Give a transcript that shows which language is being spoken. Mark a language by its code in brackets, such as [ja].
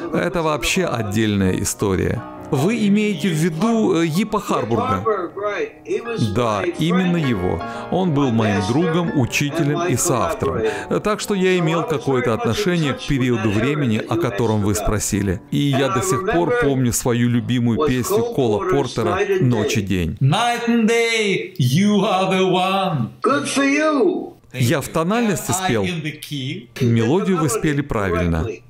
[ru] Это вообще отдельная история. Вы имеете в виду Йипа Харбурга? Да, именно его. Он был моим другом, учителем и соавтором. Так что я имел какое-то отношение к периоду времени, о котором вы спросили. И я до сих пор помню свою любимую песню Кола Портера «Ночь и день». [en] Night and day, you are the one. Good for you. [ru] Я в тональности спел? Мелодию вы спели правильно.